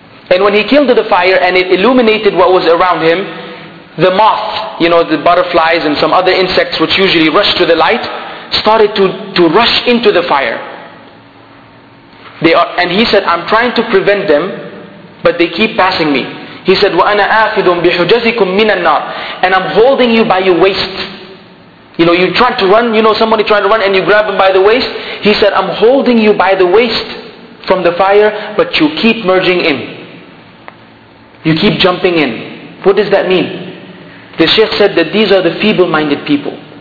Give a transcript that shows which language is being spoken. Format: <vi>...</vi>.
<en>And when he kindled the fire and it illuminated what was around him, the moth, you know, the butterflies and some other insects which usually rush to the light, started to rush into the fire. And he said, I'm trying to prevent them, but they keep passing me. He said,</en> <ar>وَأَنَا أَخِذٌ بِحُجَزِكُمْ مِنَ النَّارِ.</ar> <en>And I'm holding you by your waist. You know, you're trying to run, you know somebody trying to run and you grab him by the waist. He said, I'm holding you by the waist from the fire, but you keep merging in. You keep jumping in. What does that mean? The Shaykh said that these are the feeble-minded people.</en>